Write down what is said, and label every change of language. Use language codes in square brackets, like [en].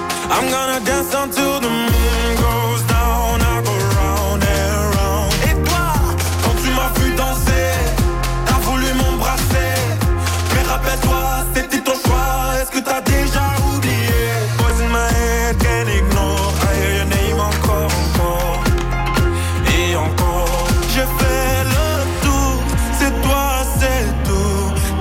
[en] I'm gonna dance until the moon goes down. I go round and round. [fr] Et toi, quand tu m'as vu danser, t'as voulu m'embrasser. Mais rappelle-toi, c'était ton choix. Est-ce que t'as déjà oublié? [en] Poison my head, can't ignore. I hear your name encore, [fr] encore et encore. J'ai fait le tour, c'est toi, c'est tout.